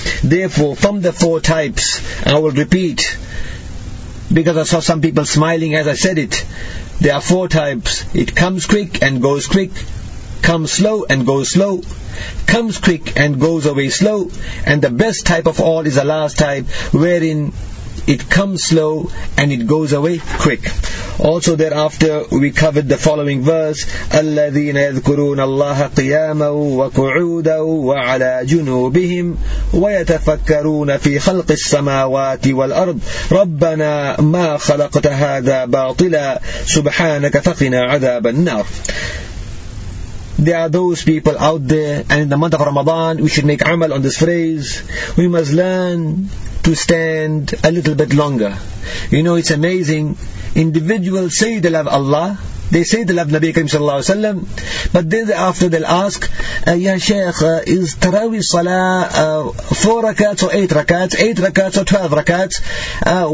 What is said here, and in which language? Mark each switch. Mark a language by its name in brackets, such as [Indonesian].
[English] Therefore, from the four types, I will repeat, because I saw some people smiling as I said it, there are four types. It comes quick and goes quick, comes slow and goes slow, comes quick and goes away slow, and the best type of all is the last type, wherein it comes slow and it goes away quick. Also thereafter, we covered the following verse, [Arabic] أَلَّذِينَ يَذْكُرُونَ اللَّهَ قِيَامًا وَقُعُودًا وَعَلَىٰ جُنُوبِهِمْ وَيَتَفَكَّرُونَ فِي خَلْقِ السَّمَاوَاتِ وَالْأَرْضِ رَبَّنَا مَا خَلَقْتَ هَذَا بَاطِلًا سُبْحَانَكَ فَقِنَا عَذَابَ النَّارِ. [English] there are those people out there, and in the month of Ramadan we should make amal on this phrase. We must learn to stand a little bit longer. You know, it's amazing, individuals say they love Allah, they say they love Nabi Kareem sallallahu alayhi wa sallam, but then after they'll ask, Ya Shaykh, is Taraweeh Salah 4 rakats or 8 rakats, 8 rakats or 12 rakats?